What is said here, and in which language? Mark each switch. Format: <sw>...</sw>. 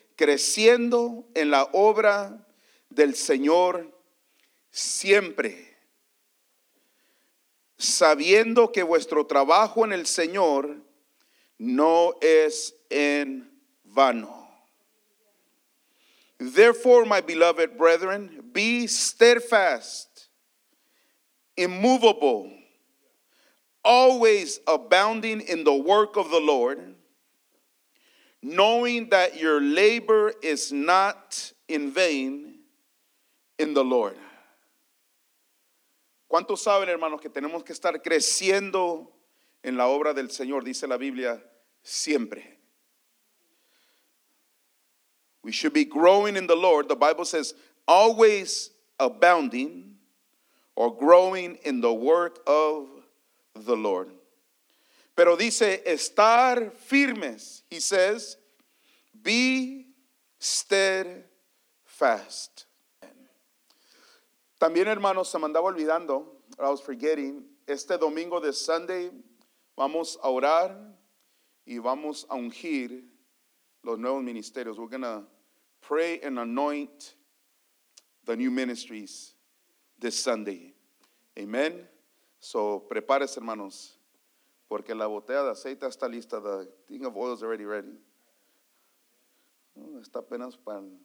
<es>Creciendo en la obra del Señor siempre, sabiendo que vuestro trabajo en el Señor no es en vano.</es> <en>Therefore, my beloved brethren, be steadfast, immovable, always abounding in the work of the Lord, knowing that your labor is not in vain in the Lord.</en> <es>¿Cuántos saben, hermanos, que tenemos que estar creciendo en la obra del Señor? Dice la Biblia, siempre.</es> <en>We should be growing in the Lord. The Bible says, always abounding or growing in the work of the Lord.</en> <es>Pero dice, estar firmes.</es> <en>He says, be steadfast.</en> <es>También, hermanos, se me andaba olvidando,</es> <en>I was forgetting,</en> <es>este domingo de Sunday vamos a orar y vamos a ungir los nuevos ministerios.</es> <en>We're going to pray and anoint the new ministries this Sunday.</en> <es>Amen. So, prepárese, hermanos, porque la botella de aceite está lista.</es> <en>The thing of oil is already ready.</en> <es>Está apenas para...</es>